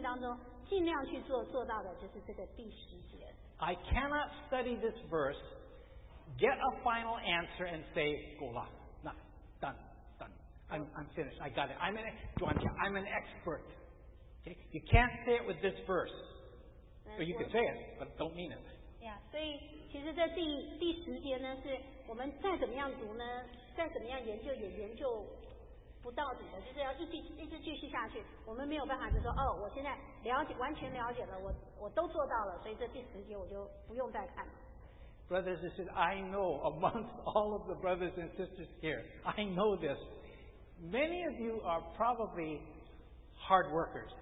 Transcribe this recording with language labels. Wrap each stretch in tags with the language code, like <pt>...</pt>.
<zh>弟兄姐妹,我不知道你们,但是对我来讲,第十节呢,是我要在我接下来的生命当中尽量去做到的,就是这个第十节。</zh> <en>I cannot study this verse, get a final answer, and say, Gola. Nah, done, done. I'm finished. I got it. I'm an expert. Okay? You can't say it with this verse. Or you can say it, but don't mean it.</en> <zh>Yeah, 所以其实在第十节呢，是我们再怎么样读呢，再怎么样研究也研究不到底的，就是要一直继续下去。我们没有办法就说，哦，我现在了解完全了解了，我都做到了，所以这第十节我就不用再看了。</zh> <en>Brothers and sisters, I know amongst all of the brothers and sisters here, I know this. Many of you are probably hard workers.</en>